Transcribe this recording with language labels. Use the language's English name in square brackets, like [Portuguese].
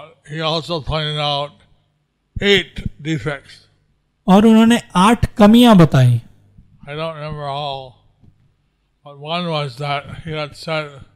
[English] he also pointed out 8 defects. [Hindi] और उन्होंने 8 कमियां बताई [English] I don't remember all, but one was that he had said